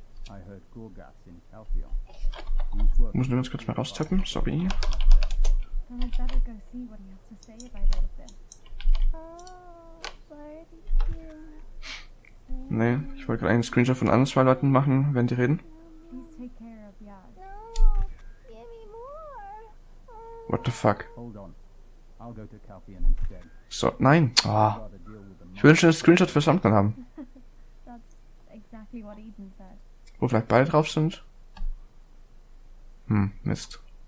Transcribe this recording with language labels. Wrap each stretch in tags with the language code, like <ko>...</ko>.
<en>I heard Gorgas in Calpheon.</en> <de>Muss nur ganz kurz mal raustappen, sorry.</de> <en>Then I'd better go see what he has to say about all of this. Oh, why did you...</en> <de>Nee, ich wollte gerade einen Screenshot von anderen zwei Leuten machen, während die reden.</de> <en>Please take care of Yas. No, give me more. What the fuck? Hold on. I'll go to Calpheon instead.</en> <de>So, nein. Oh. Ich will schon einen Screenshot für Samtan haben.</de> <en>That's exactly what Eden said.</en> <de>Wo vielleicht beide drauf sind? Hm, Mist.</de>